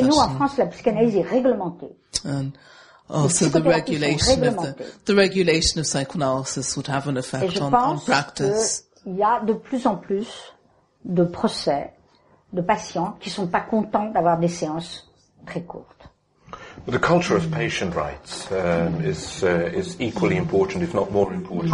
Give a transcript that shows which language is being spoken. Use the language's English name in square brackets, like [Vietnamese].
[French] Chez nous en France, la psychanalyse est réglementée. [English] And also the regulation of psychoanalysis would have an effect on practice. [French] Il y a de plus en plus de procès de patients qui sont pas contents d'avoir des séances très courtes. [English] The culture of patient rights is equally important, if not more important,